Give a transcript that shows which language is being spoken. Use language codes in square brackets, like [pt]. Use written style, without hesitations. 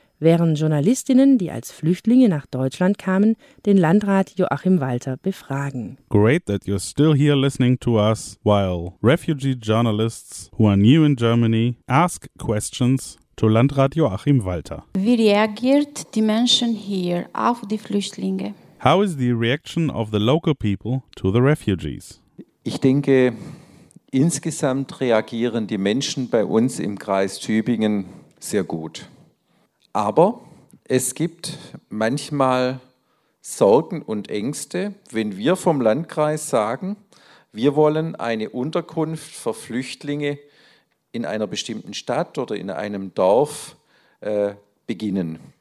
[de] Während Journalistinnen, die als Flüchtlinge nach Deutschland kamen, den Landrat Joachim Walter befragen. [en] Great that you're still here listening to us, while refugee journalists who are new in Germany ask questions to Landrat Joachim Walter. [de] Wie reagiert die Menschen hier auf die Flüchtlinge? [en] How is the reaction of the local people to the refugees? [de] Ich denke, insgesamt reagieren die Menschen bei uns im Kreis Tübingen sehr gut. Aber es gibt manchmal Sorgen und Ängste, wenn wir vom Landkreis sagen, wir wollen eine Unterkunft für Flüchtlinge in einer bestimmten Stadt oder in einem Dorf beginnen.